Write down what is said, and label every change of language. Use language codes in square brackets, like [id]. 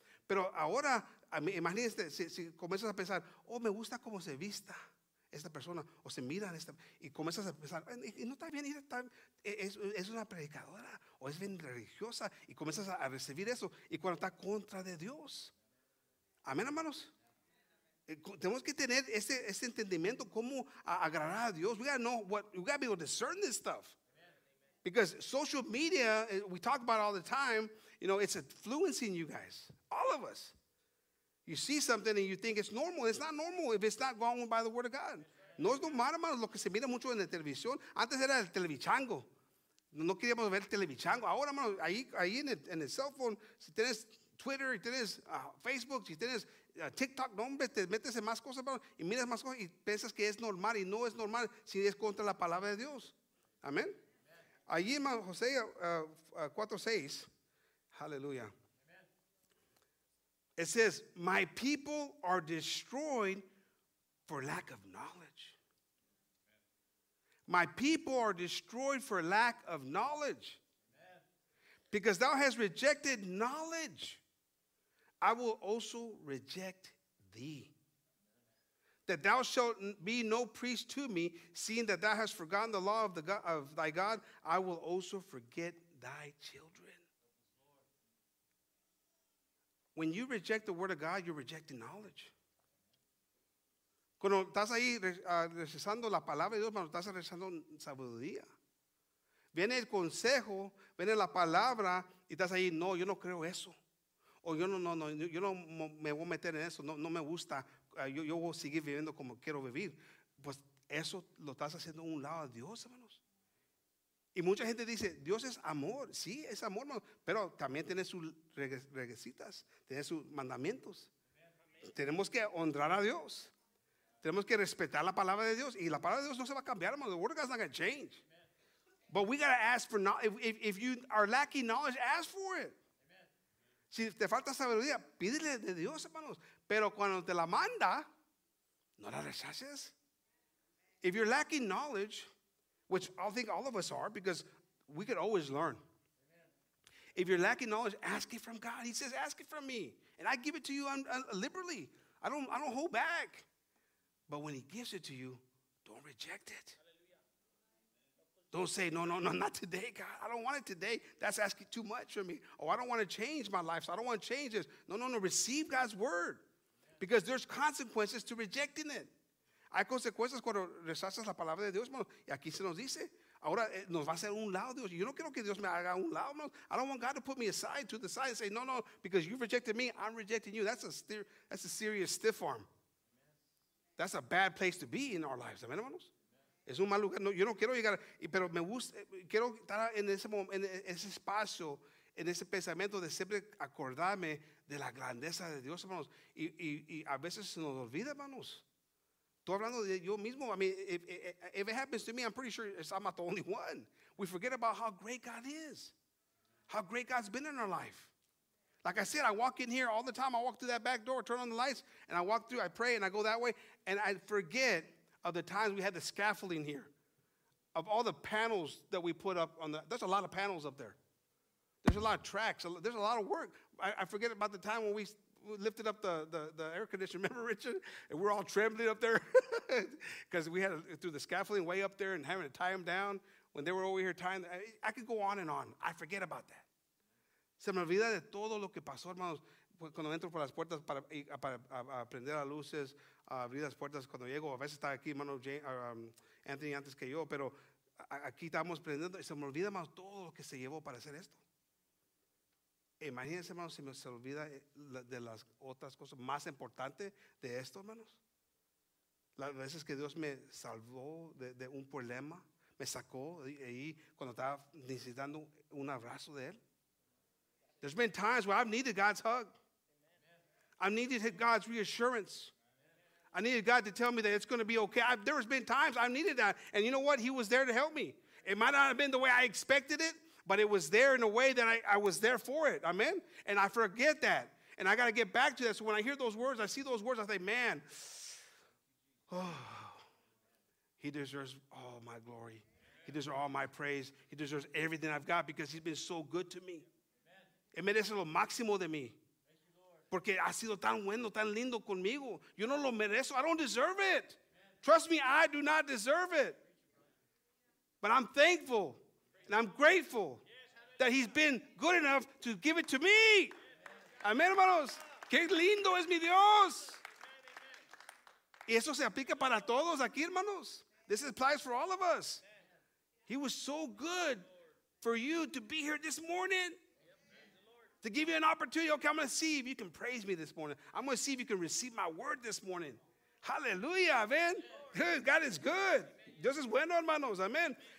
[es] Pero ahora, imagínense, si comienzas a pensar, oh, me gusta cómo se vista esta persona, o se mira, y comienzas a pensar, y no está bien, es una predicadora, o es bien religiosa, y comienzas a recibir eso, y cuando está contra de Dios. Amén, hermanos. Tenemos que tener ese entendimiento, cómo agradar a Dios. [en] We gotta know what, we gotta be able to discern this stuff. Because social media, we talk about it all the time, you know, it's influencing you guys. All of us. You see something and you think it's normal. It's not normal if it's not going by the word of God. [es] No es normal, hermanos, lo que se mira mucho en la televisión. Antes era el televichango. No queríamos ver el televichango. Ahora, hermanos, ahí en el [en] cell phone, [es] si tienes Twitter, si tienes Facebook, si tienes TikTok, no, hombre, te metes en más cosas, hermanos, y miras más cosas y piensas que es normal y no es normal si es contra la palabra de Dios. Amén. Allí, hermano, José 4:6, aleluya. [en] It says, my people are destroyed for lack of knowledge. My people are destroyed for lack of knowledge. Because thou hast rejected knowledge, I will also reject thee. That thou shalt be no priest to me, seeing that thou hast forgotten the law of the God, of thy God, I will also forget thy children. When you reject the word of God, you're rejecting knowledge. [es] Cuando estás ahí rechazando la palabra de Dios, cuando estás rechazando sabiduría. Viene el consejo, viene la palabra, y estás ahí, no, yo no creo eso. O yo no me voy a meter en eso, no me gusta, yo voy a seguir viviendo como quiero vivir. Pues eso lo estás haciendo a un lado de Dios, hermanos. Y mucha gente dice, Dios es amor. Sí, es amor, hermano. Pero también tiene sus reglas, tiene sus mandamientos. Amen. Tenemos que honrar a Dios. Tenemos que respetar la palabra de Dios. Y la palabra de Dios no se va a cambiar, hermano. [en] The word of God is not going to change. Amen. But we got to ask for knowledge. If you are lacking knowledge, ask for it. Amen. [es] Si te falta sabiduría, pídele de Dios, hermanos. Pero cuando te la manda, no la rechaces. [en] If you're lacking knowledge, which I think all of us are, because we could always learn. Amen. If you're lacking knowledge, ask it from God. He says, ask it from me. And I give it to you liberally. I don't hold back. But when he gives it to you, don't reject it. Hallelujah. Don't say, no, not today, God. I don't want it today. That's asking too much from me. Oh, I don't want to change my life, so I don't want to change this. No. Receive God's word. Amen. Because there's consequences to rejecting it. [es] Hay consecuencias cuando rechazas la palabra de Dios, hermanos. Y aquí se nos dice, ahora nos va a hacer un lado Dios. Yo no quiero que Dios me haga un lado, hermanos. [en] I don't want God to put me aside, to the side, and say, no, because you rejected me, I'm rejecting you. That's a serious stiff arm. That's a bad place to be in our lives, amen, hermanos. [es] Es un mal lugar. No, yo no quiero llegar, pero me gusta, quiero estar en ese espacio, en ese pensamiento de siempre acordarme de la grandeza de Dios, hermanos. Y a veces se nos olvida, hermanos. Estoy hablando de yo mismo. [en] I mean, if it happens to me, I'm pretty sure I'm not the only one. We forget about how great God is, how great God's been in our life. Like I said, I walk in here all the time. I walk through that back door, turn on the lights, and I walk through, I pray, and I go that way, and I forget of the times we had the scaffolding here, of all the panels that we put up on there's a lot of panels up there. There's a lot of tracks. There's a lot of work. I forget about the time when we lifted up the air conditioner, remember, Richard? And we're all trembling up there because we had through the scaffolding way up there and having to tie them down when they were over here tying. I could go on and on. I forget about that. [es] Se me olvida de todo lo que pasó, hermanos. cuando entro por las puertas para aprender las luces, abrir las puertas, cuando llego, a veces está aquí hermano Anthony antes que yo, pero aquí estamos prendiendo y se me olvida más todo lo que se llevó para hacer esto. Imagínense, hermanos, si se olvida de las otras cosas más importantes de esto, hermanos. Las veces que Dios me salvó de un problema, me sacó ahí cuando estaba necesitando un abrazo de Él. [en] There's been times where I've needed God's hug. I needed God's reassurance. I needed God to tell me that it's going to be okay. There has been times I've needed that. And you know what? He was there to help me. It might not have been the way I expected it, but it was there in a way that I was there for it. Amen? And I forget that. And I got to get back to that. So when I hear those words, I see those words, I think, man, oh, He deserves all my glory. He deserves all my praise. He deserves everything I've got because He's been so good to me. [es] Él merece lo máximo de mí. Porque ha sido tan bueno, tan lindo conmigo. Yo no lo merezco. [en] I don't deserve it. Trust me, I do not deserve it. But I'm thankful and I'm grateful that He's been good enough to give it to me. [es] Amén, hermanos. Qué lindo es mi Dios. Y eso se aplica para todos aquí, hermanos. [en] This applies for all of us. He was so good for you to be here this morning. To give you an opportunity, okay, I'm going to see if you can praise me this morning. I'm going to see if you can receive my word this morning. Hallelujah, amen. God is good. [es] Dios es bueno, hermanos, amen.